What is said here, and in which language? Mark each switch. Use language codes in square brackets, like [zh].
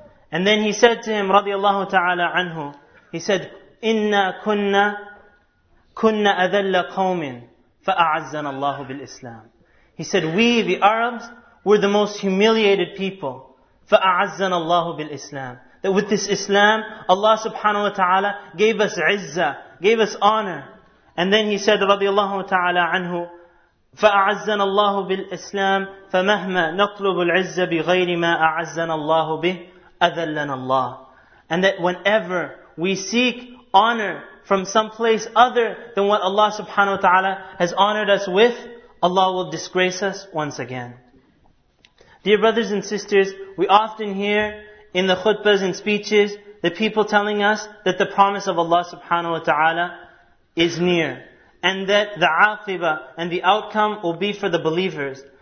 [en] And then he said [ar] to him radiallahu ta'ala anhu, he said, inna kunna كنا أذل قوم فأعزنا الله بالإسلام. [en] He said, we, the Arabs, were the most humiliated people. [ar] فأعزنا الله بالإسلام. [en] That with this Islam, Allah subhanahu wa ta'ala gave us izzah, gave us honor. And then he said, [ar] رضي الله تعالى عنه, فأعزنا الله بالإسلام فمهما نطلب العزة بغير ما أعزنا الله به أذلنا الله. [en] And that whenever we seek honor from some place other than what Allah subhanahu wa ta'ala has honored us with, Allah will disgrace us once again. Dear brothers and sisters, we often hear in the khutbahs and speeches the people telling us that the promise of Allah subhanahu wa ta'ala is near, and that the aqibah and the outcome will be for the believers.